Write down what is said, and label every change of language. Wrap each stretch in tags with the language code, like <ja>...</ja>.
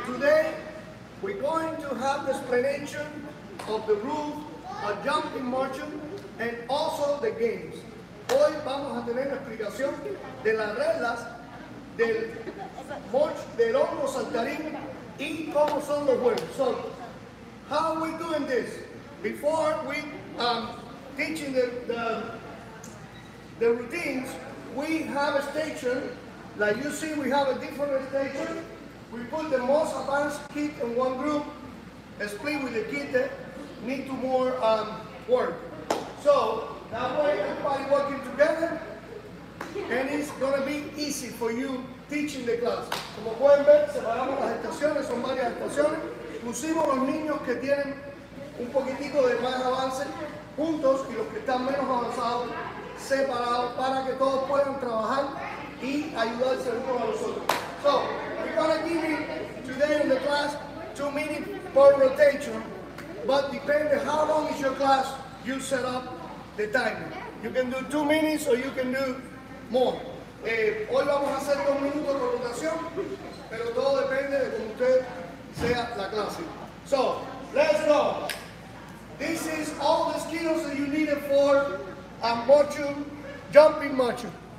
<en>Today, we're going to have the explanation of the rules of jumping motion and also the games.</en> <es>Hoy vamos a tener la explicación de las reglas del hongo saltarín y cómo son los juegos.</es> <en>So, how are we doing this? Before we teaching the routines, we have a station. Like you see, we have a different station. We put the most advanced kid in one group, split with the kid that need to more work. So that way everybody working together, and it's gonna be easy for you teaching the class.</en> <es>Como pueden ver, separamos las estaciones, son varias estaciones. Pusimos los niños que tienen un poquitico de más avance juntos y los que están menos avanzados separados para que todos puedan trabajar y ayudarse unos a los otros.</es> <en>So, we're gonna give you today in the class 2 minutes per rotation, but depending how long is your class, you set up the timer. You can do 2 minutes or you can do more.</en> <es>Hoy vamos a hacer 2 minutos de rotación, pero todo depende de cómo usted sea la clase.</es> <en>So, let's go. This is all the skills that you needed for a motion, jumping motion.</en>